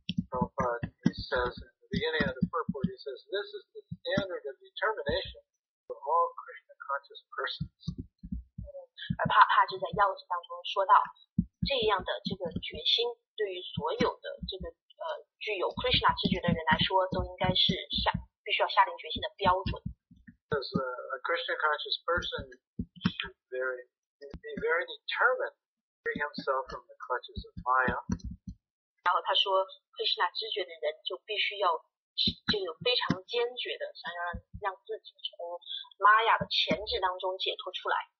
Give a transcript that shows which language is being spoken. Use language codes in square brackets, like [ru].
[en] Prabhupada, he says in the beginning of the purport, he says, this is the standard of determination for all Krishna conscious persons. [zh] 而帕帕就在要旨当中说到，这样的这个决心对于所有的这个具有 Krishna 知觉的人来说，都应该是必须要下定决心的标准。 [en] Because a Krishna conscious person should be very determined to free himself from the clutches of Maya. [zh] 然后他说 ，Krishna 知觉的人就必须要这个非常坚决的想要让自己从 Maya 的钳制当中解脱出来。